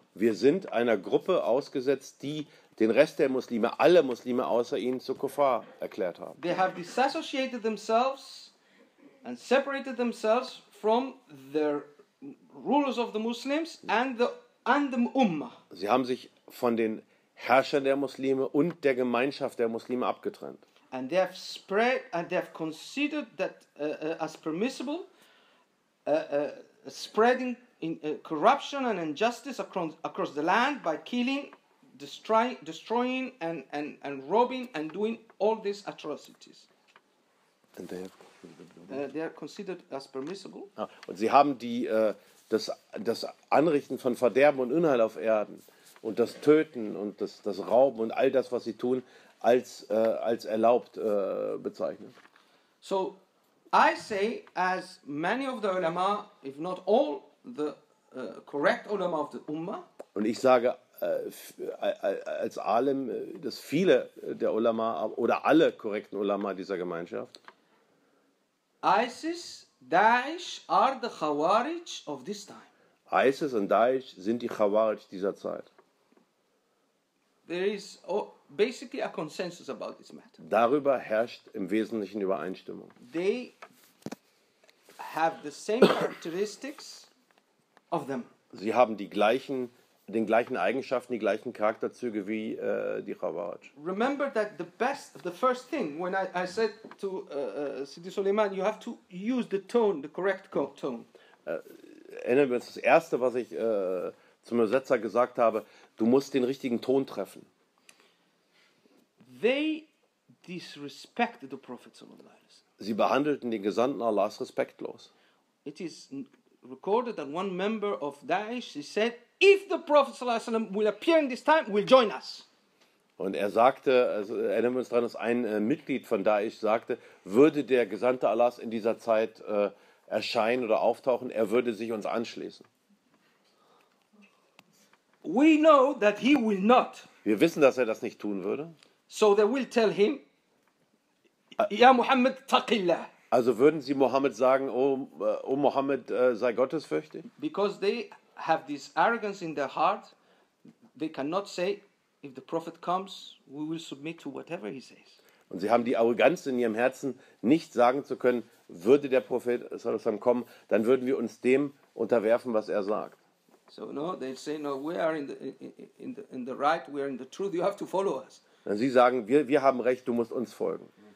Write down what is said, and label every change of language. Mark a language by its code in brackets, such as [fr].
[de] Wir sind einer Gruppe ausgesetzt, die den Rest der Muslime, alle Muslime außer ihnen, zu Kuffar erklärt haben. [en] They have disassociated themselves and separated themselves from the rulers of the Muslims and the Ummah. [de] Sie haben sich von den Herrschern der Muslime und der Gemeinschaft der Muslime abgetrennt. [en] And they have spread and they have considered that as permissible spreading in corruption and injustice across the land by killing, destroying and robbing and doing all these atrocities. And they have they are considered as permissible. [de] Ah, und sie haben die das Anrichten von Verderben und Unheil auf Erden und das Töten und das Rauben und all das, was sie tun, als erlaubt bezeichnet. [en] So I say, as many of the ulama, if not all the correct ulama of the ummah, [de] und ich sage als Alim, dass viele der Ulama oder alle korrekten Ulama dieser Gemeinschaft, [en] ISIS, Daesh are the Khawarij of this time. [de] ISIS und Daesh sind die Khawarij dieser Zeit. [en] There is basically a consensus about this matter. [de] Darüber herrscht im Wesentlichen Übereinstimmung. [en] They have the same characteristics of them. [de] Sie haben den gleichen Eigenschaften, die gleichen Charakterzüge wie die Khawarij. [en] Remember that the first thing when I said to Sidi Suleiman, you have to use the tone, the correct tone. [de] Erinnern wir uns, das erste, was ich zum Übersetzer gesagt habe, du musst den richtigen Ton treffen. [en] They disrespected the Prophet sallallahu alaihi wasallam. [de] Sie behandelten den Gesandten Allahs respektlos. [en] It is recorded that one member of Daesh, he said, if the Prophet sallallahu alaihi wasallam will appear in this time, will join us. [de] Und er sagte, also erinnern wir uns daran, dass ein Mitglied von Daesh sagte, würde der Gesandte Allahs in dieser Zeit erscheinen oder auftauchen, er würde sich uns anschließen. [en] We know that he will not. [de] Wir wissen, dass er das nicht tun würde. [en] So they will tell him, [ar] ya Muhammad, taqillah. [de] Also würden sie Muhammad sagen, oh Muhammad, sei gottesfürchtig? [en] Because they have this arrogance in their heart, they cannot say, if the Prophet comes, we will submit to whatever he says. [de] Und sie haben die Arroganz in ihrem Herzen, nicht sagen zu können, würde der Prophet sallallahu alaihi wasallam kommen, dann würden wir uns dem unterwerfen, was er sagt. [en] So no, they say, no, we are in the right, we are in the truth, you have to follow us. [de] Und sie sagen, wir haben recht, du musst uns folgen.